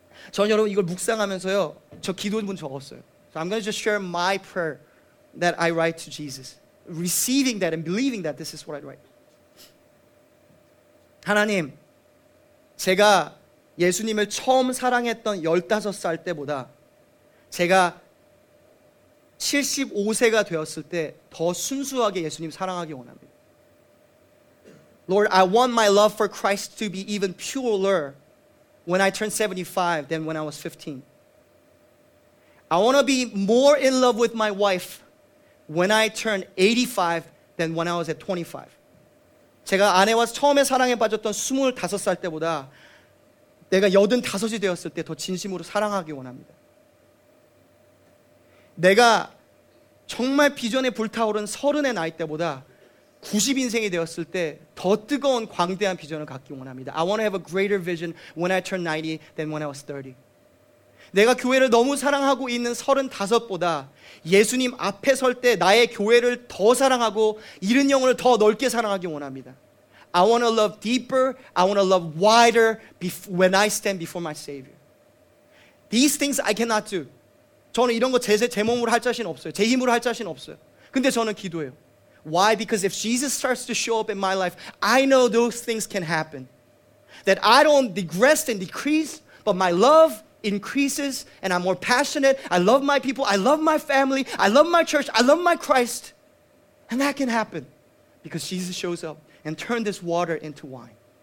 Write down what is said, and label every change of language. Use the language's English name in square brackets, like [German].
[Korean] 전 여러분 이걸 묵상하면서요, 저 기도문 적었어요. [English] So I'm going to just share my prayer that I write to Jesus. Receiving that and believing that this is what I write. [Korean] 하나님, 제가 예수님을 처음 사랑했던 15살 때보다 제가 75세가 되었을 때 더 순수하게 예수님 사랑하기 원합니다. [English] Lord, I want my love for Christ to be even purer when I turn 75 than when I was 15. I want to be more in love with my wife when I turn 85 than when I was at 25. [Korean] 제가 아내와 처음에 사랑에 빠졌던 25살 때보다 내가 85이 되었을 때 더 진심으로 사랑하기 원합니다. 내가 정말 비전에 불타오른 30의 나이 때보다 90 인생이 되었을 때 더 뜨거운 광대한 비전을 갖기 원합니다. [English] I want to have a greater vision when I turn 90 than when I was 30. [Korean] 내가 교회를 너무 사랑하고 있는 35보다 예수님 앞에 설 때 나의 교회를 더 사랑하고 잃은 영혼을 더 넓게 사랑하기 원합니다. [English] I want to love deeper, I want to love wider when I stand before my Savior. These things I cannot do. [Korean] 저는 이런 거 제 몸으로 할 자신 없어요. 제 힘으로 할 자신 없어요. 근데 저는 기도해요. [English] Why? Because if Jesus starts to show up in my life, I know those things can happen. That I don't digress and decrease, but my love increases and I'm more passionate. I love my people. I love my family. I love my church. I love my Christ. And that can happen because Jesus shows up and turns this water into wine.